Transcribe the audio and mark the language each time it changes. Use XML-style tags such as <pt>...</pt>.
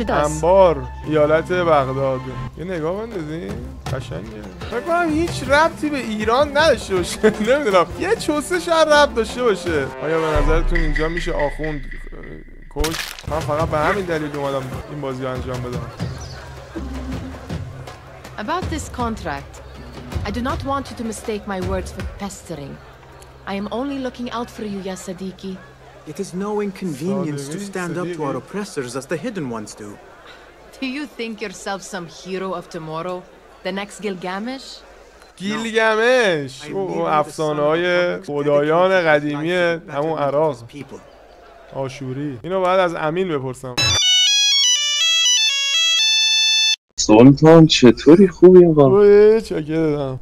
<fa>انبار ایالت بغداد. یه نگاه بندازیم. قشنگه. فکر کنم هیچ ربطی به ایران نداشته باشه. نمیدونم. یه چوسه شهر ربط داشته باشه. آیا به نظرتون اینجا میشه آخوند کش؟ من فقط به همین دلیل اومدم این بازی رو انجام بدم.</fa> <en>About this contract. I do not want you to mistake my words for pestering. I am only looking out for you, Yasadiki. It is no inconvenience to stand up to our oppressors as the hidden ones do. Do you think yourself some hero of tomorrow? The next Gilgamesh? Gilgamesh!</en> <fa>اوه افسانه‌های خدایان قدیمی همون عراق. آشوری. اینو بعد از امین بپرسم. سلطان چطوری؟ خوبی آقا؟ خوبه، چکه دادم.</fa>